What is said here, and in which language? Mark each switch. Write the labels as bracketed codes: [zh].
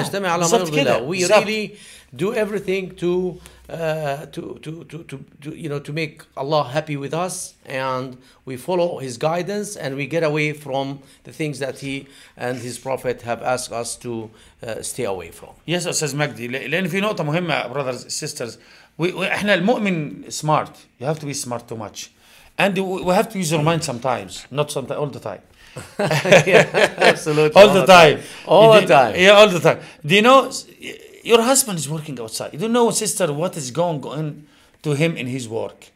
[ar] نجتمع على ما يرضي الله. [en] We really do everything to make Allah happy with us, and we follow His guidance, and we get away from the things that He and His Prophet have asked us to stay away from. Yes, says Magdi. [ar] لأن في نقطة مهمة, [en] brothers, sisters. [ar] إحنا المؤمن [en] smart. You have to be smart too much. And we have to use our mind sometimes, not sometimes, all the time. Yeah, absolutely. All the time. Do you know, your husband is working outside. You don't know, sister, what is going on to him in his work.